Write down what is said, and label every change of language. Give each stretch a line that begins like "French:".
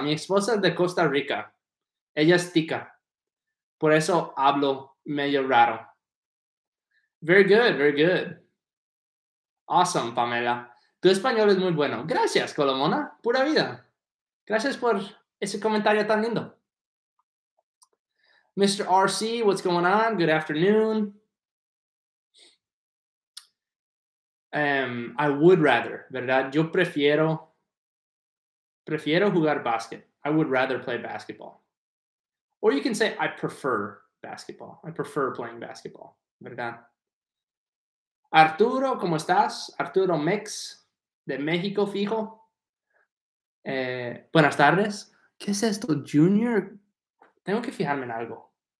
Spanish: Mi esposa es de Costa Rica. Ella es tica. Por eso hablo medio raro.
English: Very good, very good. Awesome, Pamela.
Spanish: Tu español es muy bueno. Gracias, Colomona. Pura vida. Gracias por ese comentario tan lindo.
English: Mr. RC, what's going on? Good afternoon. I would rather, ¿verdad?
Spanish: Yo prefiero jugar básquet.
English: I would rather play basketball. Or you can say, I prefer basketball. I prefer playing basketball, ¿verdad? Arturo,
Spanish: ¿cómo estás? Arturo Mex, de México, fijo. Buenas tardes. ¿Qué es esto, Junior? Tengo que fijarme en algo.